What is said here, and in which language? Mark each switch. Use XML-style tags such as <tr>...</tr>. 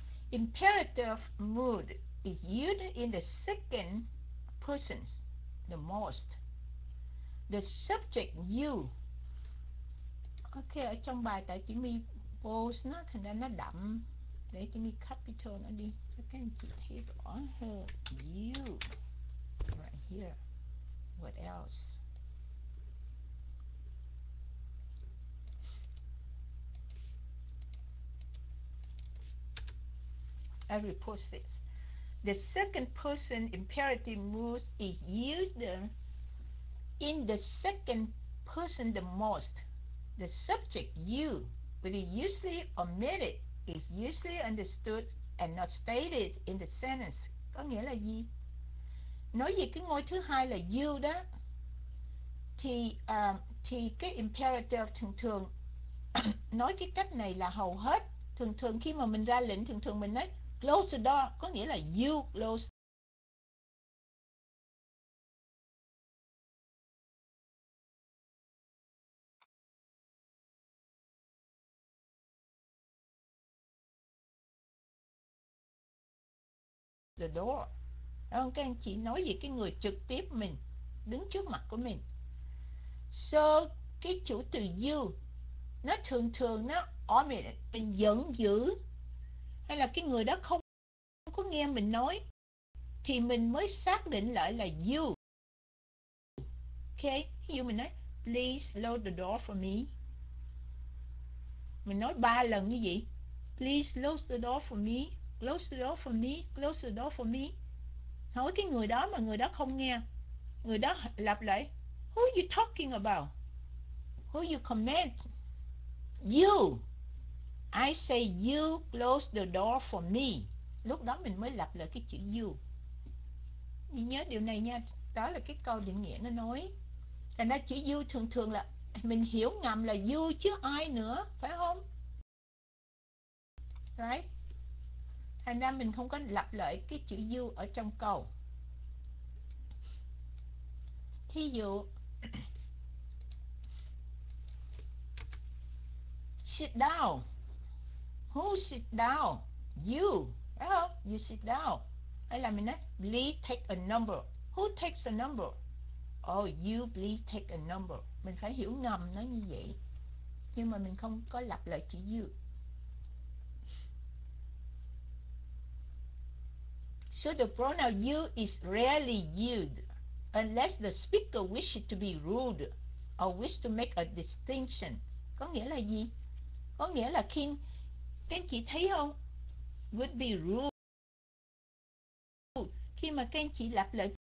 <en>Imperative mood is used in the second person the most. The subject you.</en> <vi>Ok, ở trong bài tại chị mi pause nó thành ra nó đậm. Để chị mi capital nó đi cho các anh chị thấy rõ hơn.</vi> <en>You. Right here. What else? I repost this. The second person imperative mood is used in the second person the most. The subject you, which is usually omitted, is usually understood and not stated in the sentence.</en> <vi>Có nghĩa là gì? Nói về cái ngôi thứ hai là you đó, thì cái imperative thường thường nói cái cách này là hầu hết thường thường khi mà mình ra lệnh thường thường mình nói</vi> <en>close the door,</en> <vi>có nghĩa là</vi> <en>you close. The door.</en> <vi>Ok, các anh chị nói về cái người trực tiếp mình, đứng trước mặt của mình. So, cái chủ từ you, nó thường thường nó omitted, mình giận dữ, hay là cái người đó không có nghe mình nói, thì mình mới xác định lại là you.</vi> <en>Ok, you</en> <vi>mình nói,</vi> <en>please load the door for me.</en> <vi>Mình nói ba lần như vậy,</vi> <en>please close the door for me, close the door for me, close the door for me.</en> <vi>Hỏi cái người đó mà người đó không nghe. Người đó lặp lại.</vi> <en>Who you talking about? Who you comment? You. I say you close the door for me.</en> <vi>Lúc đó mình mới lặp lại cái chữ you. Mình nhớ điều này nha. Đó là cái câu định nghĩa nó nói. Thành ra chữ you thường thường là mình hiểu ngầm là you chứ ai nữa. Phải không?</vi> <en>Right?</en> <vi>Thành ra mình không có lặp lại cái chữ you ở trong câu. Thí dụ</vi> <en>sit down. Who sit down? You.</en> <vi>Phải không?</vi> <en>You sit down.</en> <vi>Hay là mình nói</vi> <en>please take a number. Who takes a number? Oh, you please take a number.</en> <vi>Mình phải hiểu ngầm nó như vậy. Nhưng mà mình không có lặp lại chữ you.</vi> <en>So the pronoun you is rarely used unless the speaker wishes to be rude or wish to make a distinction.</en> <vi>Có nghĩa là gì? Có nghĩa là khi các anh chị thấy không?</vi> <en>Would be rude.</en> <vi>Khi mà các anh chị lặp lại</vi>